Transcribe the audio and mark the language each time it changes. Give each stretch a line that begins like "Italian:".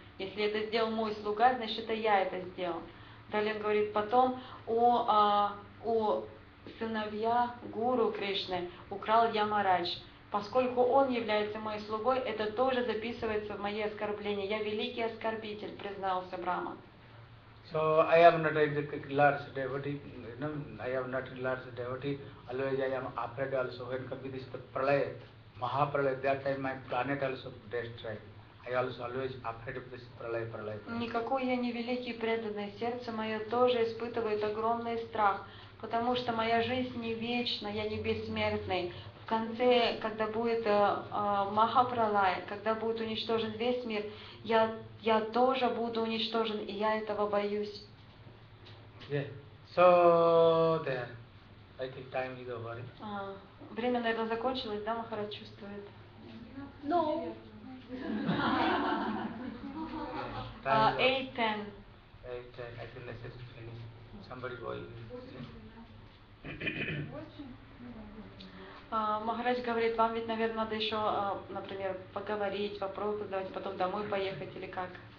Russian: Если это сделал мой слуга, значит, это я это сделал. Далее он говорит, потом у сыновья Гуру Кришны украл Ямарадж. Поскольку он является моей слугой, это тоже записывается в мои оскорбления. Я великий оскорбитель, признался Брама.
English: So I am not a large devotee. No, I am not a large devotee. Always I am afraid also when Kabhi this pralaya, Mahapralaya, that time my planet also destroyed. I also always afraid of this pralaya.
Russian: Никакой я не великий преданный. Сердце мое тоже испытывает огромный страх, потому что моя жизнь не вечна, я не бессмертный. В конце, когда будет Махапралая, когда будет уничтожен весь мир, я тоже буду уничтожен, и я этого боюсь.
English: Yeah. So there. I think time is over.
Russian: Время, наверное, закончилось, да, Махарадж чувствует?
English: No. 8:10. 8:10. I think this is finished. Somebody go.
Russian: Махарадж говорит, вам ведь, наверное, надо еще, например, поговорить, вопросы задавать, потом домой поехать или как?